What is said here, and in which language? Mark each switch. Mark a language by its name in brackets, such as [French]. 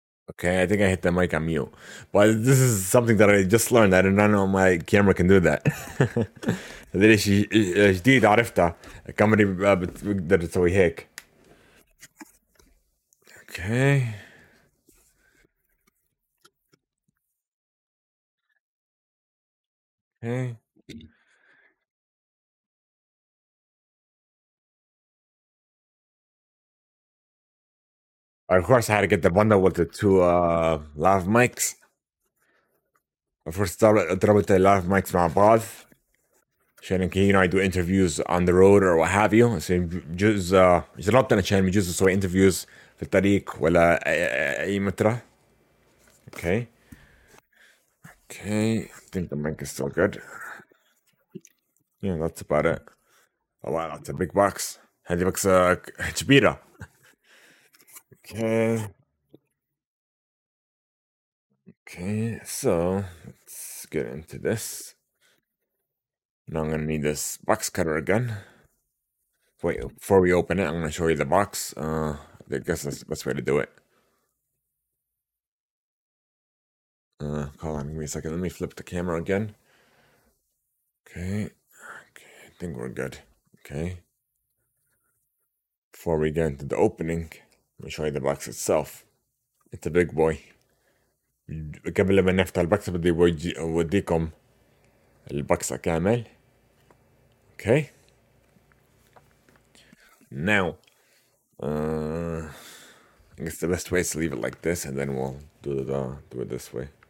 [English] Okay, I think I hit the mic on mute. But this is something that I just learned. I did not know my camera can do that. This is [Arabic] جديد عرفته. الكاميرا بتقدر تسوي هيك. [English] Okay. Okay. Of course, I had to get the bundle with the two lav mics. Of course, double the lav mics [Arabic] مع بعض. شان كي, [English] you know, I do interviews on the road or what have you. So, just not that [Arabic] شان بجوز سوى interviews في الطريق ولا أي مترة. [English] Okay. Okay. I think the mic is still good. Yeah, that's about it. Oh wow, that's a big box. [Arabic] هذه بكسة كبيرة. [English] Okay, so let's get into this. Now I'm gonna need this box cutter again. Wait, before we open it, I'm gonna show you the box. I guess that's the best way to do it. Hold on, give me a second. Let me flip the camera again. Okay, I think we're good. Okay, before we get into the opening. Let me show you the box itself. It's a big boy. [Arabic] قبل ما نفتح البكسة بدي أوديكم البكسة كامل. [English] Okay. Now, I guess the best way is to leave it like this, and then we'll do it this way.